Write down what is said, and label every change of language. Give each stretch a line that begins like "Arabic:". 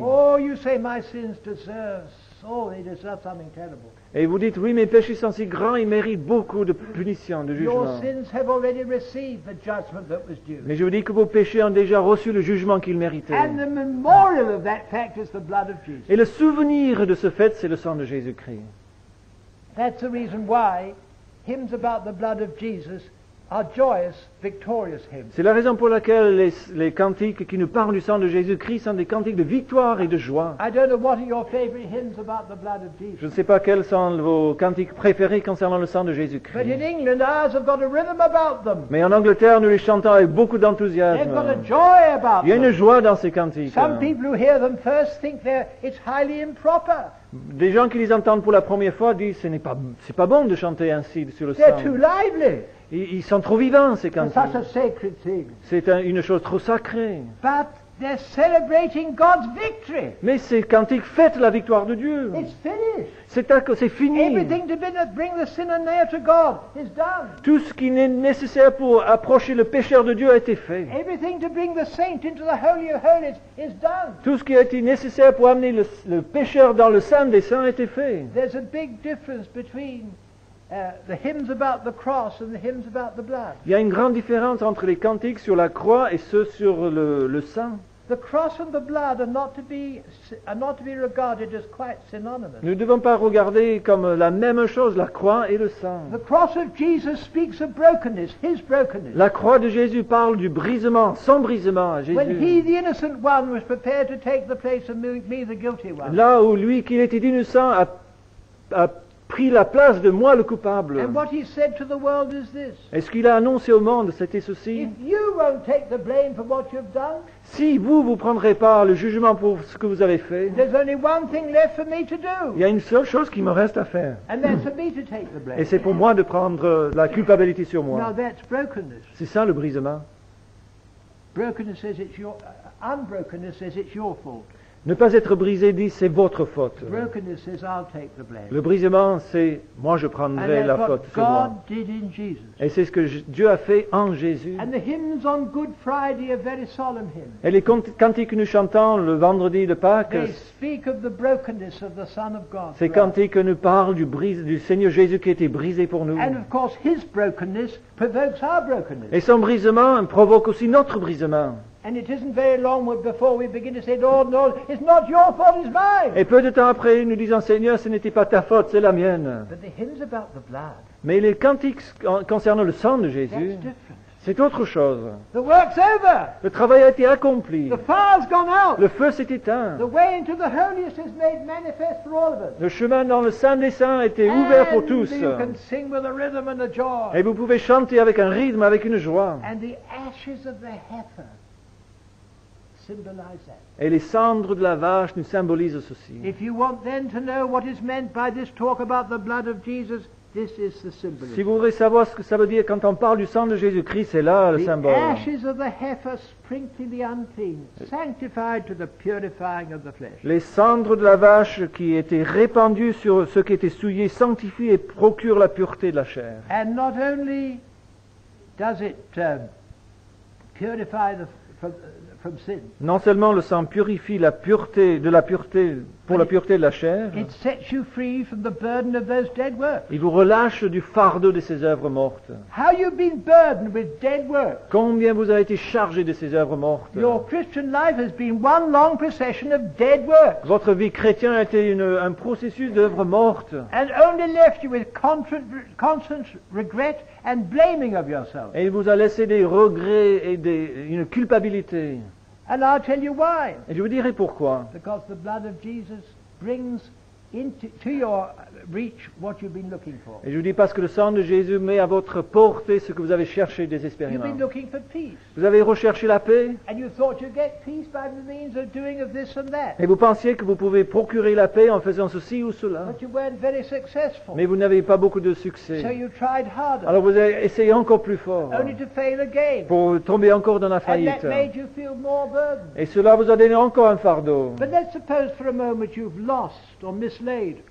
English: Oh, you say my sins deserve, so they deserve something terrible.
French: Et vous dites, oui, mes péchés sont si grands, ils méritent beaucoup de punition, de jugement.
English: Your sins have already received the judgment that was due.
French: Mais je vous dis que vos péchés ont déjà reçu le jugement qu'ils méritaient.
English: And the memorial of that fact is the blood of Jesus.
French: Et le souvenir de ce fait, c'est le sang de Jésus-Christ.
English: That's the reason why hymns about the blood of Jesus are joyous, victorious hymns.
French: C'est la raison pour laquelle les cantiques qui nous parlent du sang de Jésus-Christ sont des cantiques de victoire et de joie.
English: I don't know what are your favorite hymns about the blood of Jesus.
French: Je ne sais pas quels sont vos cantiques préférés concernant le sang de Jésus-Christ.
English: But in England, ours have got a rhythm about them.
French: Mais en Angleterre, nous les chantons avec beaucoup d'enthousiasme.
English: They've got a joy about them.
French: Il y a une joie dans ces cantiques.
English: Some people who hear them first think it's highly improper.
French: Des gens qui les entendent pour la première fois disent c'est pas bon de chanter ainsi sur le
English: They're
French: sang.
English: Too lively.
French: Ils sont trop vivants, ces cantiques. C'est une chose trop sacrée.
English: But they're celebrating God's victory.
French: Mais ces cantiques fêtent la victoire de Dieu.
English: It's finished.
French: C'est fini.
English: Everything to bring the sinner near to God is done.
French: Tout ce qui est nécessaire pour approcher le pécheur de Dieu a été fait.
English: Everything to bring the saint into the Holy of Holies is done.
French: Tout ce qui a été nécessaire pour amener le pécheur dans le Saint des Saints a été fait.
English: There's a big difference between the hymns about the cross and the hymns about the blood.
French: Il y a une grande différence entre les cantiques sur la croix et ceux sur le sang.
English: The cross and the blood are not to be regarded as quite synonymous.
French: Nous ne devons pas regarder comme la même chose la croix et le sang.
English: The cross of Jesus speaks of brokenness, his brokenness.
French: La croix de Jésus parle du brisement, son brisement à Jésus.
English: When he, the innocent one, was prepared to take the place of me, the guilty one.
French: Là où lui qui était innocent a pris la place de moi le coupable.
English: And what he said to the world is this.
French: Et ce qu'il a annoncé au monde, c'était ceci.
English: If you won't take the blame for what you've done,
French: si vous, vous prendrez pas le jugement pour ce que vous avez fait,
English: there's only one thing left for me to do.
French: Il y a une seule chose qui me reste à faire.
English: And that's for me to take the blame.
French: Et c'est pour moi de prendre la culpabilité sur moi.
English: Now that's brokenness.
French: C'est ça le brisement.
English: Brokenness says it's your, unbrokenness says it's your fault.
French: Ne pas être brisé dit c'est votre faute.
English: Brokenness is, I'll take the blame.
French: Le brisement c'est moi je prendrai
English: And
French: la faute
English: what
French: sur
English: God
French: moi.
English: Did in Jesus.
French: Et c'est ce que Dieu a fait en Jésus.
English: And the hymns on Good Friday are very solemn hymns.
French: Et les cantiques que nous chantons le vendredi de Pâques,
English: they speak of the brokenness of the Son of God.
French: Ces cantiques que nous parlent du Seigneur Jésus qui a été brisé pour nous.
English: And of course his brokenness provokes our brokenness.
French: Et son brisement provoque aussi notre brisement.
English: And it isn't very long before we begin to say, Lord, no, it's not your fault, it's mine.
French: Et peu de temps après, nous disons, Seigneur, ce n'était pas ta faute, c'est la mienne.
English: But the hymns about the blood.
French: Mais les cantiques concernant le sang de Jésus, c'est autre chose.
English: The work's over.
French: Le travail a été accompli.
English: The fire's gone out.
French: Le feu s'est éteint.
English: The way into the holiest is made manifest for all of us.
French: Le chemin dans le Saint des Saints a été ouvert pour tous.
English: And you can sing with a rhythm and a joy.
French: Et vous pouvez chanter avec un rythme, avec une joie.
English: And the ashes of the heifer.
French: Et les cendres de la vache nous symbolisent ceci.
English: If you want then to know what is meant by this talk about the blood of Jesus, this is the symbol.
French: Si vous voulez savoir ce que ça veut dire quand on parle du sang de Jésus-Christ, c'est là le symbole.
English: The ashes of the heifer sprinkling the unclean, sanctified to the purifying of the flesh.
French: Les cendres de la vache qui étaient répandues sur ceux qui étaient souillés, sanctifient et procurent la pureté de la chair.
English: And not only does it purify from sin.
French: Non seulement le sang purifie la pureté de la chair.
English: It sets you free from the burden of those dead works.
French: Il vous relâche du fardeau de ces œuvres mortes.
English: How you've been burdened with dead works.
French: Combien vous avez été chargé de ces œuvres mortes.
English: Your Christian life has been one long procession of dead works.
French: Votre vie chrétienne a été un processus d'œuvres mortes.
English: And only left you with constant regret and blaming of yourself.
French: Et il vous a laissé des regrets et une culpabilité.
English: And I'll tell you why.
French: Et je vous dirai pourquoi.
English: Because the blood of Jesus brings to your reach what you've been looking for.
French: Et je vous dis parce que le sang de Jésus met à votre portée ce que vous avez cherché désespérément.
English: You've been looking for peace.
French: Vous avez recherché la paix.
English: And you thought you'd get peace by the means of doing of this and that.
French: Et vous pensiez que vous pouvez procurer la paix en faisant ceci ou cela.
English: But you weren't very successful.
French: Mais vous n'avez pas beaucoup de succès.
English: So you tried harder.
French: Alors vous avez essayé encore plus fort.
English: Only to fail again.
French: Pour tomber encore dans la faillite.
English: And that made you feel more burdened.
French: Et cela vous a donné encore un fardeau.
English: But let's suppose for a moment you've lost or mislaid.